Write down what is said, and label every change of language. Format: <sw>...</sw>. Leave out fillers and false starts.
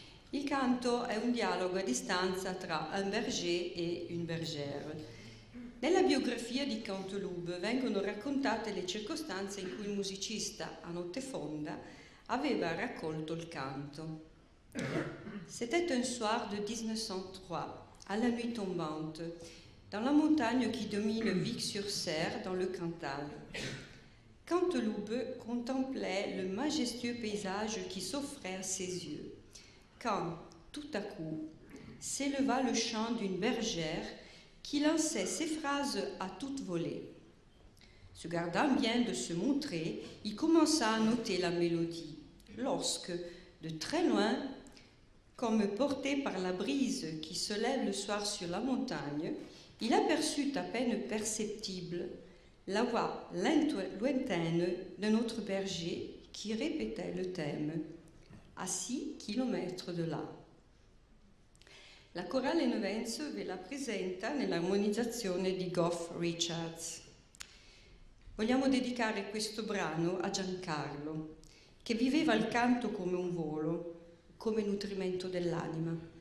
<it>Il canto è un dialogo a distanza tra</it> <fr>un berger e une bergère.</fr> <it>Nella biografia di Canteloube vengono raccontate le circostanze in cui il musicista, a notte fonda, aveva raccolto il canto.</it> <fr>C'était un soir de 1903, à la nuit tombante, dans la montagne qui domine Vic-sur-Serre, dans le Cantal. Canteloube contemplait le majestueux paysage qui s'offrait à ses yeux, quand, tout à coup, s'éleva le chant d'une bergère qui lançait ses phrases à toute volée. Se gardant bien de se montrer, il commença à noter la mélodie, lorsque, de très loin, comme porté par la brise qui se lève le soir sur la montagne, il aperçut à peine perceptible la voix lointaine d'un autre berger qui répétait le thème, à 6 kilomètres de là.</fr> <it>La chorale Novenzo ve la presenta nell'armonizzazione di Gough Richards. Vogliamo dedicare questo brano a Giancarlo, che viveva il canto come un volo, come nutrimento dell'anima.</it>